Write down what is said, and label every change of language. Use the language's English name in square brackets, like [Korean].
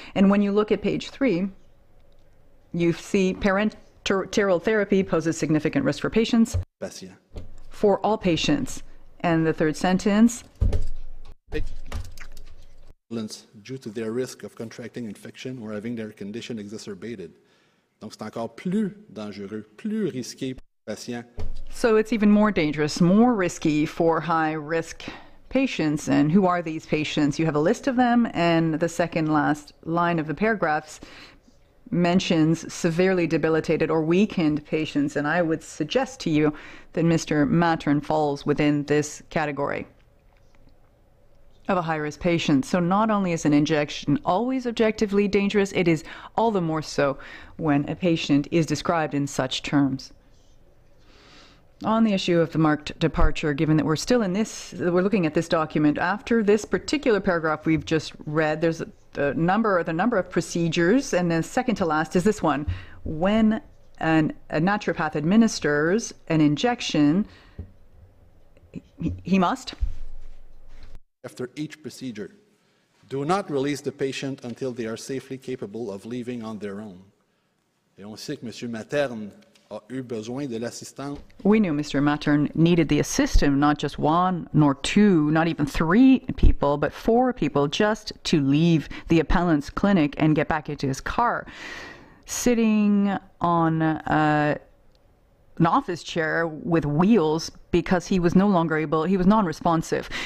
[English] And when you look at page 3, you see parenteral therapy poses significant risk for patients. [French] Merci. [English] For all patients. And the third sentence. Due to their risk of contracting infection or having their condition exacerbated. [French] Donc c'est encore plus dangereux, plus risqué pour les patients. [English] So it's even more dangerous, more risky for high-risk patients. And who are these patients? You have a list of them, and the second last line of the paragraphs mentions severely debilitated or weakened patients. And I would suggest to you that Mr. Matern falls within this category of a high-risk patient. So not only is an injection always objectively dangerous, it is all the more so when a patient is described in such terms. On the issue of the marked departure, given that we're still in this, we're looking at this document, after this particular paragraph we've just read, there's the number of procedures, and the second to last is this one. When a naturopath administers an injection, he must? After each procedure, do not release the patient until they are safely capable of leaving on their own. [French] Et on sait que Monsieur Matern a eu besoin de l'assistance. [English] We knew Mr. Matern needed the assistant, not just one, nor two, not even three people, but four people, just to leave the appellant's clinic and get back into his car. Sitting on an office chair with wheels because he was no longer able, he was non-responsive.